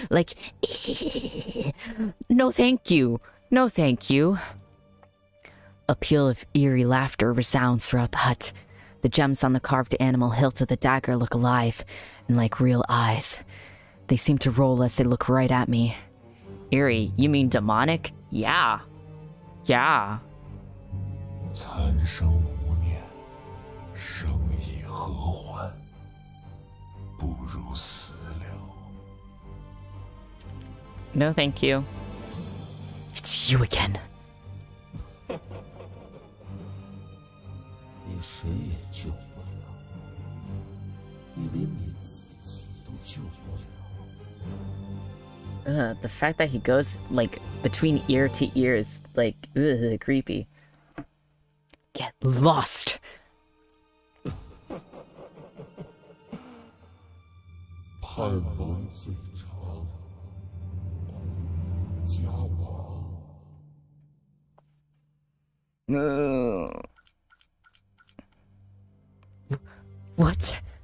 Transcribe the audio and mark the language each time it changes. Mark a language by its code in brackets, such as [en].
[en] Like, no thank you. No thank you. A peal of eerie laughter resounds throughout the hut. The gems on the carved animal hilt of the dagger look alive and like real eyes. They seem to roll as they look right at me. Eerie, you mean demonic? Yeah. Yeah. [zh] 残生无念, 生意何欢, 不如死了。 [en] No, thank you. It's you again. [zh] 你谁也救不了。你连你自己都救不了。 [en] The fact that he goes, like, between ear to ear is, like, creepy. Get lost! What?